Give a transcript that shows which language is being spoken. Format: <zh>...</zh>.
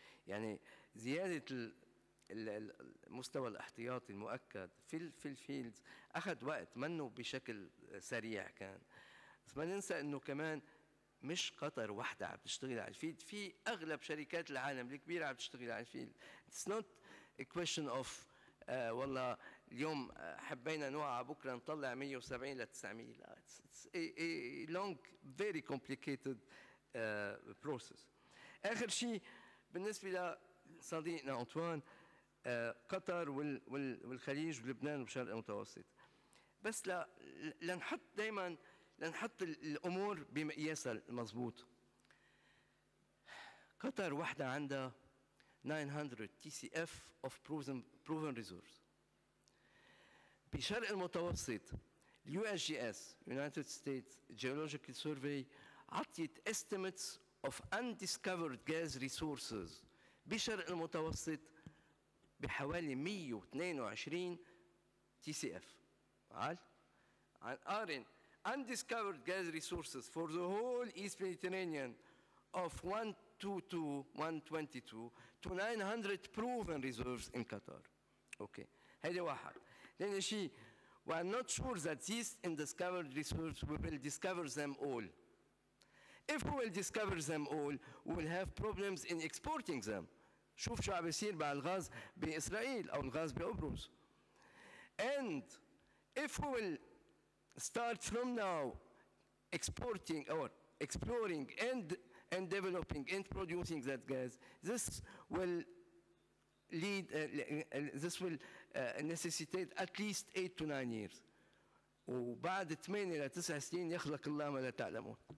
<ar>يعني زيادة المستوى الاحتياطي المؤكد في الفيلدز أخذ وقت, منه بشكل سريع كان. بس ما ننسى أنه كمان مش قطر واحدة عم تشتغل على الفيلد, في أغلب شركات العالم الكبيرة عم تشتغل على الفيلد.</ar> <en>It's not a question of</en> <ar>والله اليوم حبينا نوعا بكرة نطلع 170 ل 900.</ar> <en>لا, it's a long very complicated process.</en> <ar>آخر شيء بالنسبة لصديقنا أنطوان, قطر والخليج ولبنان والشرق المتوسط, بس لنحط دائما لنحط الأمور بمقياسها المضبوط. قطر واحدة عندها</ar> <en>900 TCF of proven reserves.</en> <ar>بشرق المتوسط USGS United States Geological Survey عطيت</ar> <en>estimates of undiscovered gas resources</en> <ar>بشرق المتوسط بحوالي 122 TCF. عال عن قارن</ar> <en>undiscovered gas resources for the whole East Mediterranean of 122 to 900 proven reserves in Qatar.</en> <ar>Okay, هذا واحد. لأن شيء,</ar> <en>we are not sure that these undiscovered resources we will discover them all. If we will discover them all, we will have problems in exporting them.</en> <ar>شوف شو عم يصير مع الغاز بإسرائيل أو الغاز بأبروس.</ar> <en>And if we will start from now exporting or exploring and developing and producing that gas, this will lead this will necessitate at least 8 to 9 years.</en> <ar>وبعد 8 إلى 9 سنين يخلق الله ما لا تعلمون.</ar>